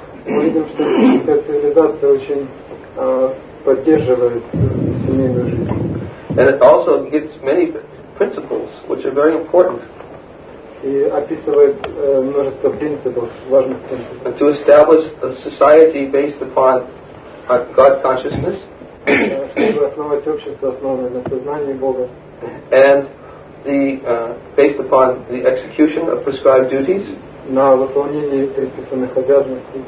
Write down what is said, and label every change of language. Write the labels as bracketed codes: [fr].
[ru] Мы видим, что ведическая цивилизация очень поддерживает семейную жизнь. [en] And it also gives many principles which are very important. [ru] И описывает множество принципов, важных принципов. [en] And to establish a society based upon God consciousness. [ru] Чтобы основать общество, основанное на сознании Бога. [en] And the based upon the execution of prescribed duties. [ru] На выполнении предписанных обязанностей.